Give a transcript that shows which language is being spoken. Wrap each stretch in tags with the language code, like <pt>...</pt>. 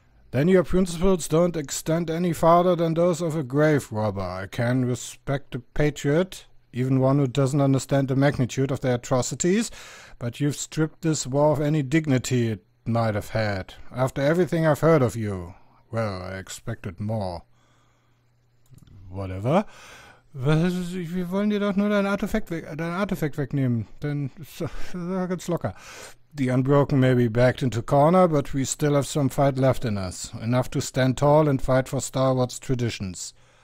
<en>Then your principles don't extend any farther than those of a grave robber. I can respect a patriot, even one who doesn't understand the magnitude of their atrocities, but you've stripped this war of any dignity it might have had. After everything I've heard of you, well, I expected more. Whatever.</en> <de>Wir wollen dir doch nur dein Artefakt wegnehmen. Dann ganz locker.</de> <en>The Unbroken may be backed into corner, but we still have some fight left in us. Enough to stand tall and fight for Star Wars traditions.</en>